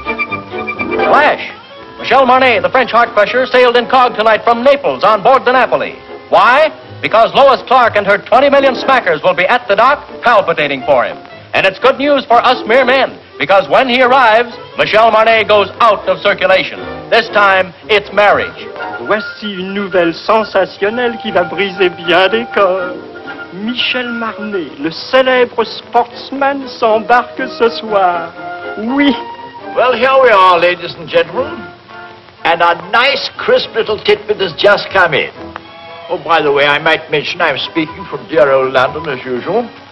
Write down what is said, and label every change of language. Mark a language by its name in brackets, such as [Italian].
[English] Marnet, the French heart crusher, sailed in cog tonight from Naples on board the Napoli. Why? Because Lois Clark and her 20 million smackers will be at the dock palpitating for him. And it's good news for us mere men, because when he arrives, Michel Marnet goes out of circulation. This time, it's marriage. [French] Voici une nouvelle sensationnelle qui va briser bien des corps. Michel Marnet, le célèbre sportsman, s'embarque ce soir. Oui. [English] Well, here we are, ladies and gentlemen. And a nice, crisp little tidbit has just come in. Oh, by the way, I might mention I'm speaking from dear old London, as usual.